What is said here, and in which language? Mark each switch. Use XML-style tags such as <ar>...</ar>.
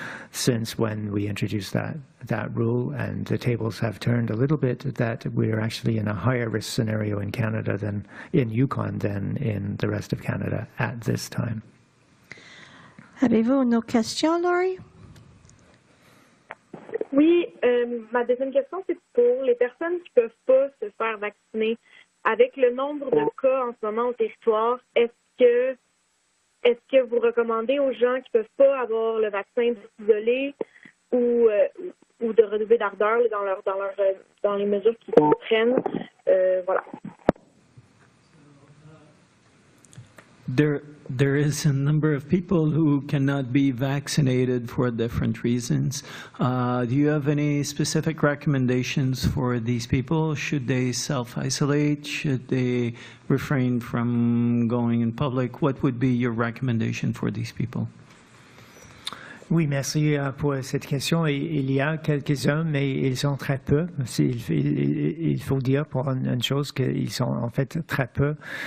<en>since when we introduced that rule, and the tables have turned a little bit, that we're actually in a higher-risk scenario in Canada than in Yukon than in the rest of Canada at this time.</en> <fr>Avez-vous une autre question, Laurie? Oui, ma deuxième question, c'est pour les personnes qui peuvent pas se faire vacciner. Avec le nombre de cas en ce moment au territoire, est-ce que vous recommandez aux gens qui ne peuvent pas avoir le vaccin de s'isoler ou de redoubler d'ardeur dans les mesures qu'ils prennent? Voilà.</fr> <en>There is a number of people who cannot be vaccinated for different reasons. Do you have any specific recommendations for these people? Should they self-isolate? Should they refrain from going in public? What would be your recommendation for these people?</en> <fr>Oui, merci pour cette question. Il y a quelques-uns, mais ils sont très peu. Il faut dire pour une chose qu'ils sont en fait très peu.</fr>